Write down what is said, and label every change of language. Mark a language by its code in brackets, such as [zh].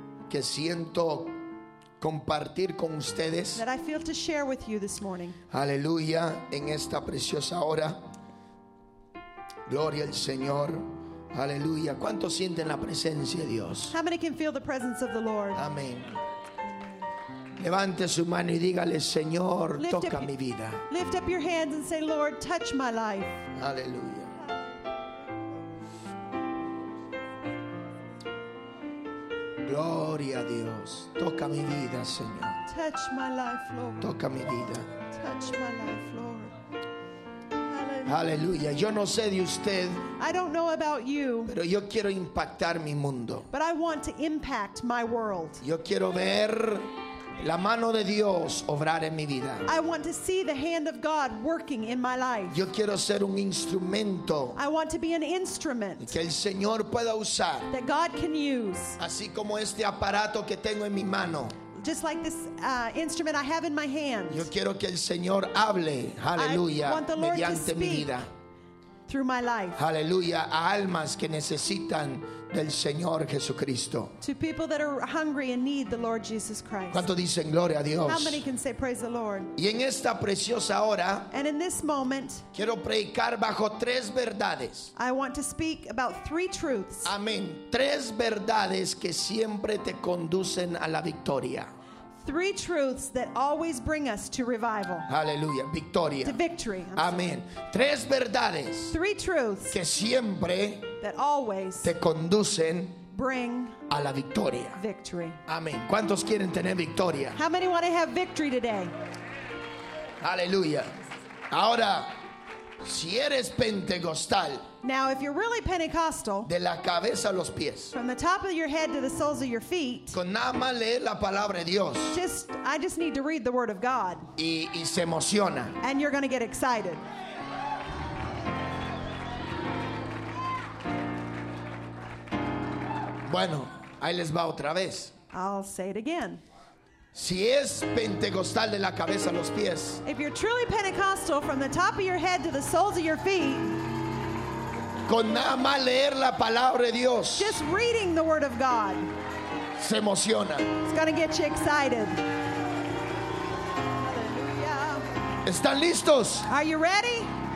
[es] Que siento compartir con ustedes. [en] That I feel to share with you this morning. [es] Aleluya, en esta preciosa hora. Gloria al Señor. Aleluya. ¿Cuántos sienten la presencia de Dios? [en] How many can feel the presence of the Lord? [es] Amén. Levante su mano y dígale, Señor, toca mi vida. [en] Lift up your hands and say, Lord, touch my life. [es] Aleluya. Gloria a Dios. Toca mi vida, Señor. [en] Touch my life, Lord. [es] Toca mi vida. [en] Touch my life, Lord. [es] Aleluya. Yo no sé de usted. [en] I don't know about you. [es] Pero yo quiero impactar mi mundo. [en] But I want to impact my world. [es] Yo quiero ver la mano de Dios obrar en mi vida. [en] I want to see the hand of God working in my life. [es] Yo quiero ser un instrumento. [en] I want to be an instrument. [es] Que el Señor pueda usar. [en] That God can use. [es] Así como este aparato que tengo en mi mano. [en] Just like this instrument I have in my hand. [es] Yo quiero que el Señor hable. Hallelujah. [en] I want the Lord [es] mediante [en] to speak [es] mi vida. [en] Through my life. [es] Hallelujah. A almas que necesitan del Señor Jesucristo. [en] To people that are hungry and need the Lord Jesus Christ. [es] ¿Cuánto dicen gloria a Dios? [en] How many can say praise the Lord? [es] Y en esta preciosa hora, [en] and in this moment, [es] quiero predicar bajo tres verdades. [en] I want to speak about three truths. [es] Amén. Tres verdades que siempre te conducen a la victoria. [en] Three truths that always bring us to revival. [es] Hallelujah. Victoria. [en] To victory. [es] Amén. Tres verdades. [en] Three truths. [es] Que siempre. [en] That always. [es] Te conducen. [en] Bring. [es] A la victoria. [en] Victory. [es] Amén. ¿Cuántos quieren tener victoria? [en] How many want to have victory today? [es] Hallelujah. Ahora, si eres pentecostal. [en] Now, if you're really Pentecostal, [es] de la cabeza a los pies, [en] from the top of your head to the soles of your feet, [es] con nada más leer la palabra de Dios, [en] I just need to read the Word of God, [es] y se emociona, [en] and you're going to get excited. [es] Bueno, ahí les va otra vez. [en] I'll say it again. [es] Si es pentecostal de la cabeza a los pies, [en] if you're truly Pentecostal, from the top of your head to the soles of your feet. [es] Con nada más leer la palabra de Dios. [en] Just reading the word of God. [es] Se emociona. [en] It's going to get you excited. [es] Hallelujah. ¿Están listos? [en] Are you ready?